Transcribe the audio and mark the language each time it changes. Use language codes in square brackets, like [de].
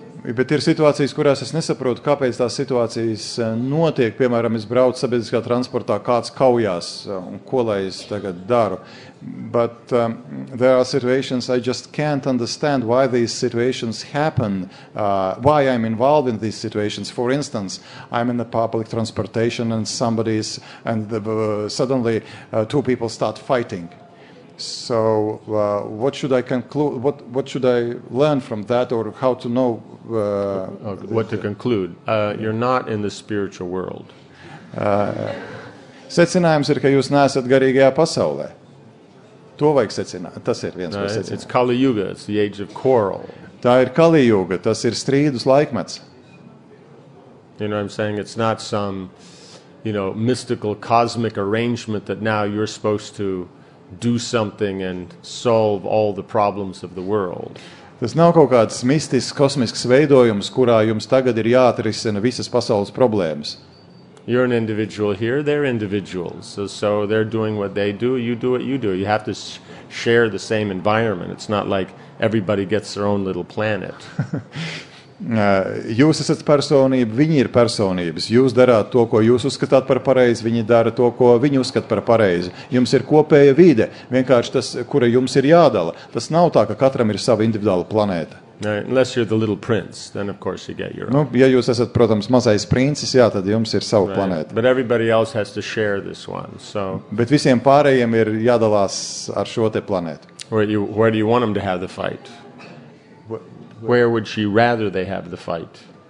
[lv] Bet ir situācijas, kurās es nesaprotu, kāpēc tās situācijas notiek. Piemēram, es braucu sabiedriskā transportā, kāds kaujās, un ko lai es tagad daru. [en] But there are situations, I just can't understand why these situations happen, why I'm involved in these situations. For instance, I'm in the public transportation and somebody's, and suddenly two people start fighting. So what should I learn from that or how to know what to conclude you're not in the spiritual world [lv] secinājums ir ka jūs neesat garīgajā pasaulē to vajag secināt tas ir viens no secinājumiem [en] it's kali yuga it's the age of quarrel [lv] tā ir kali yuga tas ir strīdus laikmets [en] you know what I'm saying it's not some you know mystical cosmic arrangement that now you're supposed to do something and solve all the problems of the world. [lv] Tas nav kaut kāds mistisks, kosmisks veidojums, kurā jums tagad ir jāatrisina visas pasaules problēmas. [en] You're an individual here, they're individuals. So they're doing what they do, you do what you do. You have to share the same environment. It's not like everybody gets their own little planet. [lv] Jūs esat personība, viņi ir personības. Jūs darāt to, ko jūs uzskatāt par pareizi, viņi dara to, ko viņi uzskat par pareizi. Jums ir kopēja vide, vienkārši tas, kura jums ir jādala. Tas nav tā, ka katram ir sava individuāla planēta. [en] Right, unless you're the little prince, then of course you get your own. [lv] Nu, ja jūs esat, protams, mazais princis, jā, tad jums ir sava [en] right. [lv] planēta. [en] But everybody else has to share this one, so... [lv] Bet visiem pārējiem ir jādalās ar šo te planētu. [en] Where do you want them to have the fight? Where would she rather they have the fight?